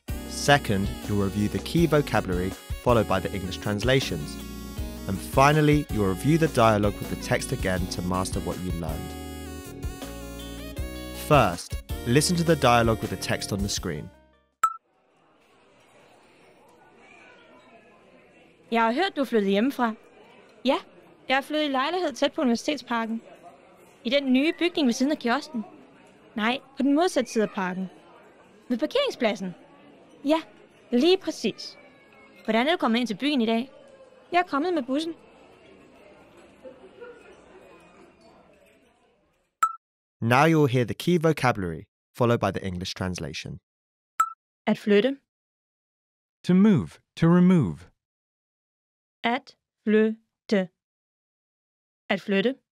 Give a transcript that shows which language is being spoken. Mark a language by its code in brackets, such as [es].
[en] Second, you'll review the key vocabulary followed by the English translations. And finally, you'll review the dialogue with the text again to master what you learned. First, listen to the dialogue with the text on the screen. [da] Jeg har hørt, du er flyttet hjemmefra. Ja, jeg er flyttet i lejlighed tæt på Universitetsparken. I den nye bygning ved siden af kiosken. Nej, på den modsatte side af parken. Ved parkeringspladsen. Ja, lige præcis. Hvordan er du kommet ind til byen i dag? Jeg er kommet med bussen. [en] Now you'll hear the key vocabulary, followed by the English translation. [da] At flytte. [en] To move, to remove. [da] At flytte. At flytte.